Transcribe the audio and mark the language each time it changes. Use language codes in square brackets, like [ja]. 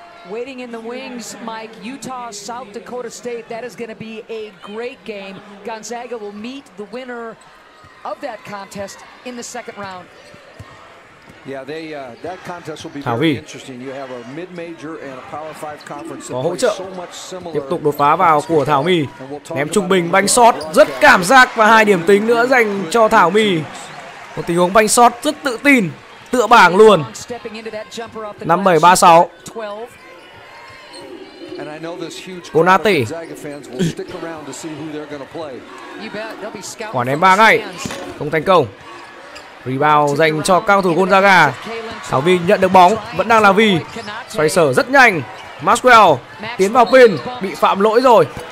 [en] Waiting in the wings, Mike, Utah, South Dakota State. That is going to be a great game. Gonzaga will meet the winner of that contest in the second round. Yeah, they that contest will be very interesting. You have a mid-major and a Power 5 conference. [vi] Có hỗ trợ. Tiếp tục đột phá vào của Thảo Mì. Ném trung bình banh sót rất cảm giác và hai điểm tính nữa dành cho Thảo Mì. Một tình huống banh sót rất tự tin, tựa bảng luôn. 57-36. [en] And I know this huge crowd of Gonzaga fans will stick around to see who they're going to play. [vi] Quả ném 3 ngay. Không thành công. Rebound dành cho các cầu thủ Gonzaga. Thảo Vy nhận được bóng, vẫn đang là Vy. Xoay sở rất nhanh. Maxwell tiến vào pin, bị phạm lỗi rồi.